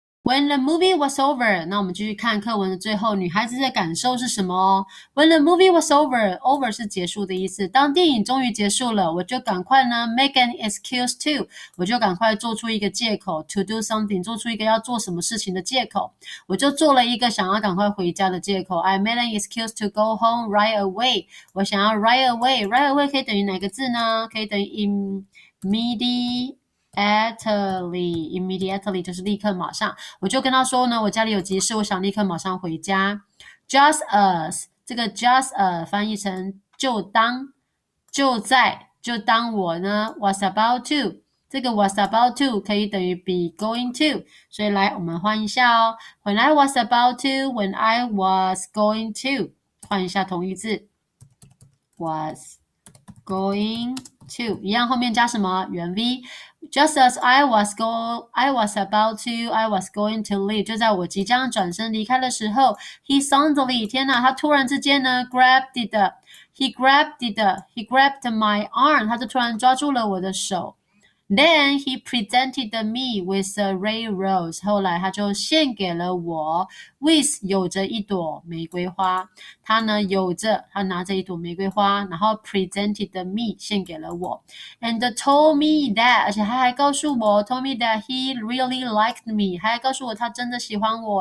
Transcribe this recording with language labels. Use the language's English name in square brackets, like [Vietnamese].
[English] When the movie was over， [Chinese] 那我们继续看课文的最后，女孩子的感受是什么？When the movie was over，over 是结束的意思。当电影终于结束了，我就赶快呢，make an excuse to，我就赶快做出一个借口，to do something，做出一个要做什么事情的借口。我就做了一个想要赶快回家的借口。 [English] I made an excuse to go home right away。 [Chinese] 我想要 right away。 Right away 可以等于哪个字呢？可以等于 immediately。 Immediately 就是立刻马上，我就跟他说呢，我家里有急事，我想立刻马上回家。 Just as 这个 just as 翻译成就当就在就当我呢 was about to 这个 was about to 可以等于 be going to，所以来我们换一下哦。 [English] When I was about to, when I was going to， [Chinese] 换一下同义字，was going to 一样，后面加什么原 v。 [English] Just as I was about to, I was going to leave. [Chinese] 就在我即将转身离开的时候，he suddenly，天哪，他突然之间呢， [English] he grabbed my arm. [Chinese] 他就突然抓住了我的手。 [English] Then he presented me with a ray rose. [Chinese] 后来他就献给了我，with 有着一朵玫瑰花。他呢有着，他拿着一朵玫瑰花，然后 presented me 献给了我，and told me that 而且他还告诉我， [English] told me that he really liked me， [Chinese] 还告诉我他真的喜欢我。